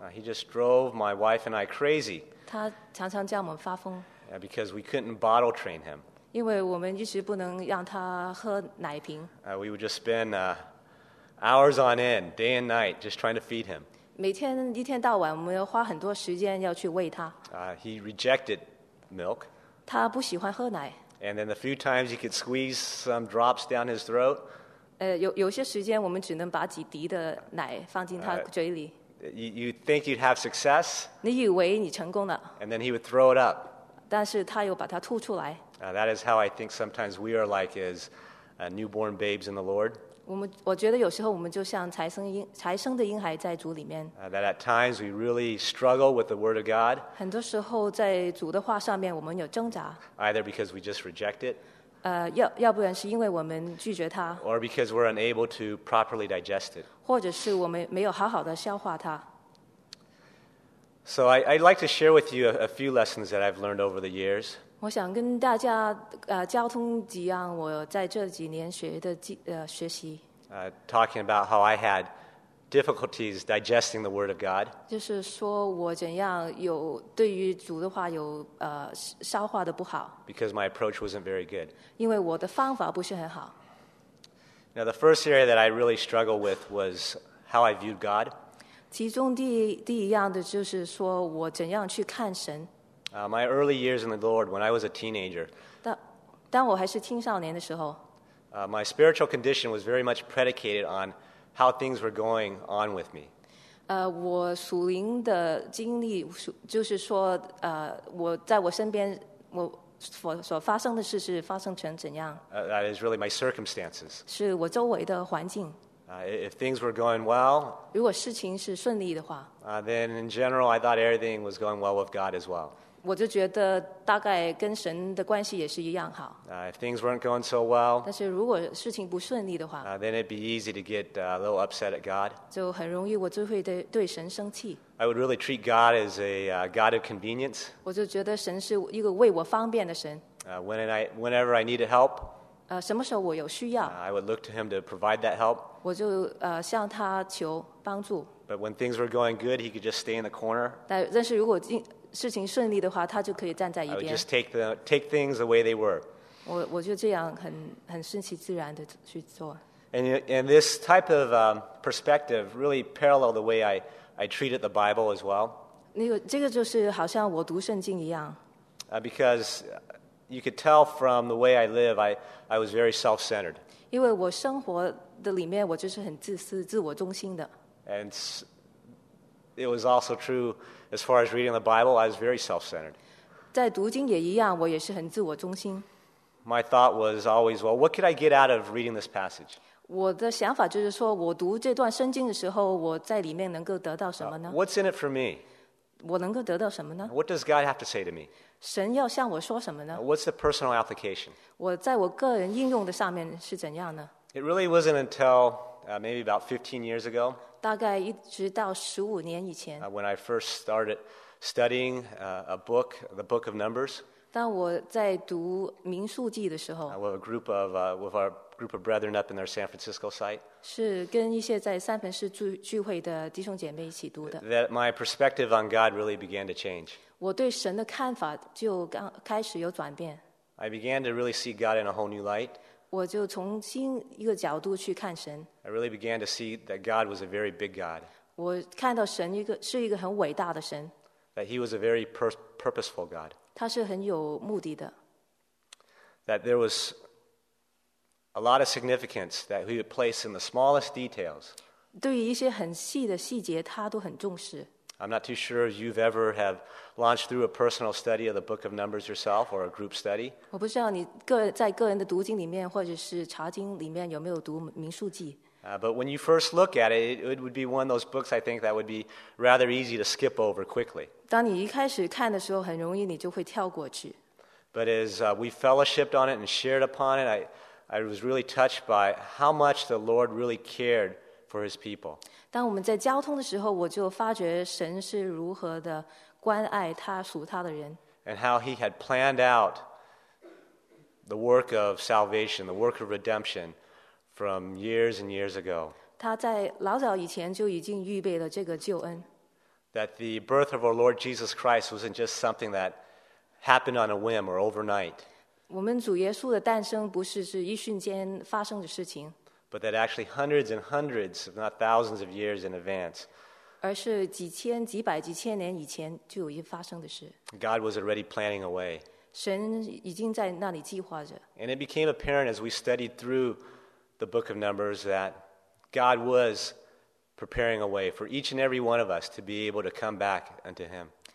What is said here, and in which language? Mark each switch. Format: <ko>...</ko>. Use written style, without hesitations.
<en>he just drove my wife and I crazy.</en> <zh>他常常叫我们发疯,</zh> <en>because we couldn't bottle train him.</en> <zh>因为我们一直不能让他喝奶瓶,</zh> <en>we would just spend hours on end, day and night, just trying to feed him.</en> <zh>每天一天到晚, 我们要花很多时间要去喂他,</zh> <en>he rejected milk.</en> <zh>他不喜欢喝奶,</zh> <en>and then the few times he could squeeze some drops down his throat,</en> <zh>有些时间我们只能把几滴的奶放进他嘴里。</zh> <en>You think you'd have success.</en> <zh>你以为你成功了。</zh> <en>And then he would throw it up.</en> <zh>但是他又把它吐出来。</zh> <en>That is how I think sometimes we are like as newborn babes in the Lord.</en> <zh>我觉得有时候我们就像才生的婴孩在主里面。</zh> <en>That at times we really struggle with the Word of God.</en> <zh>很多时候在主的话上面我们有挣扎。</zh> <en>Either because we just reject it.</en> <zh>要不然是因为我们拒绝它。</zh> <en>Or because we're unable to properly digest it.</en> <zh>或者是我们没有好好的消化它。</zh> <en>So I'd like to share with you a few lessons that I've learned over the years.</en> <zh>我想跟大家交通几样我在这几年学的学习。</zh> <en>Talking about how I had difficulties digesting the Word of God.</en> <zh>就是说我怎样有对于主的话有消化的不好。</zh> <en>Because my approach wasn't very good.</en> <zh>因为我的方法不是很好。</zh> <en>Now the first area that I really struggled with was how I viewed God.</en> <zh>其中第一样的就是说我怎样去看神。</zh> <en>My early years in the Lord, when I was a teenager,</en> <zh>当我还是青少年的时候</zh> <en>my spiritual condition was very much predicated on how things were going on with me.</en> <zh>我属灵的经历就是说我在我身边我所发生的事是发生成怎样。</zh> <en>That is really my circumstances.</en> <zh>是我周围的环境。</zh> <en>If things were going well,</en> <zh>如果事情是顺利的话</zh> <en>then in general, I thought everything was going well with God as well.</en> <zh>我就觉得大概跟神的关系也是一样好</zh> <en>If things weren't going so well,</en> <zh>但是如果事情不顺利的话</zh> <en>then it'd be easy to get a little upset at God.</en> <zh>就很容易我就会对神生气</zh> <en>I would really treat God as a God of convenience.</en> <zh>我就觉得神是一个为我方便的神</zh> <en>whenever I needed help,</en> <zh>什么时候我有需要</zh> <en>I would look to him to provide that help.</en> <zh>我就向他求帮助</zh> <en>But when things were going good, he could just stay in the corner.</en> <zh>但是如果事情顺利的话他就可以站在一边</zh> <en>I would just take things the way they were.</en> <zh>我就这样很顺其自然的去做</zh> <en>And this type of perspective really paralleled the way I treated the Bible as well.</en> <zh>这个就是好像我读圣经一样</zh> <en>Because... You could tell from the way I live, I was very self-centered.</en> <zh>因为我生活的里面，我就是很自私、自我中心的。</zh> <en>And it was also true as far as reading the Bible, I was very self-centered.</en> <zh>在读经也一样，我也是很自我中心。</zh> <en>My thought was always, well, what could I get out of reading this passage?</en> <zh>我的想法就是说，我读这段圣经的时候，我在里面能够得到什么呢？</zh> <en>What's in it for me?</en> <zh>我能够得到什么呢？</zh> <en>What does God have to say to me?</en> <zh>神要向我说什么呢</zh> <en>What's the personal application?</en> <zh>我在我个人应用的上面是怎样呢</zh> <en>It really wasn't until maybe about 15 years ago</en> <zh>大概一直到15年以前</zh> <en>When I first started studying a book, the book of Numbers</en> <zh>当我在读民数记的时候</zh> <en>with our group of brethren up in their San Francisco site</en> <zh>是跟一些在三藩市聚会的弟兄姐妹一起读的</zh> <en>That my perspective on God really began to change</en> <zh>我对神的看法就刚开始有转变。</zh> <en>I began to really see God in a whole new light.</en> <zh>我就从新一个角度去看神。</zh> <en>I really began to see that God was a very big God.</en> <zh>我看到神是一个很伟大的神。</zh> <en>That he was a very purposeful God.</en> <zh>他是很有目的的。</zh> <en>That there was a lot of significance that he would place in the smallest details.</en> <zh>对于一些很细的细节他都很重视。</zh> <en>I'm not too sure if you've ever have launched through a personal study of the book of Numbers yourself or a group study.</en> <zh>我不知道你在个人的读经里面或者是查经里面有没有读民数记。</zh> <en>But when you first look at it, it would be one of those books I think that would be rather easy to skip over quickly.</en> <zh>当你一开始看的时候很容易你就会跳过去。</zh> <en>But as we fellowshipped on it and shared upon it, I was really touched by how much the Lord really cared for his people.</en> <zh>当我们在交通的时候，我就发觉神是如何的关爱他属他的人。</zh> <en>And how he had planned out the work of salvation, the work of redemption from years and years ago.</en> <zh>他在老早以前就已经预备了这个救恩。</zh> <en>That the birth of our Lord Jesus Christ wasn't just something that happened on a whim or overnight.</en> <zh>我们主耶稣的诞生不是是一瞬间发生的事情。</zh> <en>But that actually hundreds and hundreds, if not thousands of years in advance,</en> <zh>而是几千几百几千年以前就已经发生的事。</zh> <en>God was already planning a way.</en> <zh>神已经在那里计划着。</zh> <en>And it became apparent as we studied through the book of Numbers that God was preparing a way for each and every one of us to be able to come back unto him.</en>